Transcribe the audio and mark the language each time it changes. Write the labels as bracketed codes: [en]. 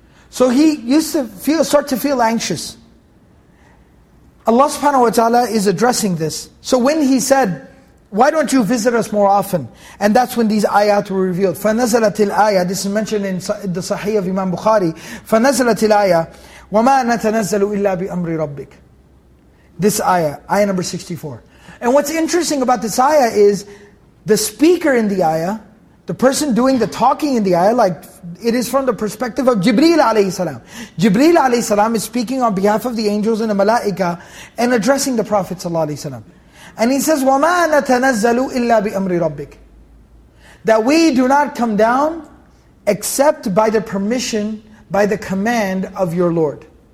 [en] So he used to start to feel anxious. Allah subhanahu wa ta'ala is addressing this. So when he said, why don't you visit us more often? And that's when these ayat were revealed. [ar] فَنَزَلَتِ الْآيَةِ [en] This is mentioned in the Sahih of Imam Bukhari. [ar] فَنَزَلَتِ الْآيَةِ وَمَا نَتَنَزَّلُ إِلَّا بِأَمْرِ رَبِّكَ [en] This ayah number 64. And what's interesting about this ayah is, the speaker in the ayah, the person doing the talking in the ayah, like it is from the perspective of Jibreel alayhi salam. Jibreel alayhi salam is speaking on behalf of the angels and the malaika and addressing the Prophet sallallahu alayhi salam. And he says, [ar] وَمَا نَتَنَزَّلُ إِلَّا بِأَمْرِ رَبِّكَ [en] That we do not come down except by the permission, by the command of your Lord.